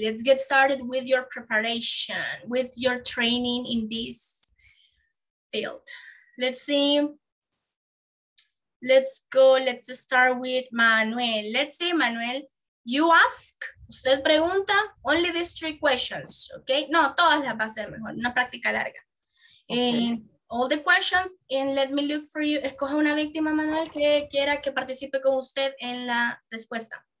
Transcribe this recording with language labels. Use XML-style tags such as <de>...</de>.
<en>Let's get started with your preparation, with your training in this field. Let's start with Manuel. Let's see, Manuel, you ask,</en> <es>usted pregunta,</es> <en>only these three questions, okay?</en> <es>No, todas las va a ser mejor, una práctica larga. Okay.</es> <en>And all the questions, and let me look for you.</en> <es>Escoja una víctima, Manuel, que quiera que participe con usted en la respuesta.</es>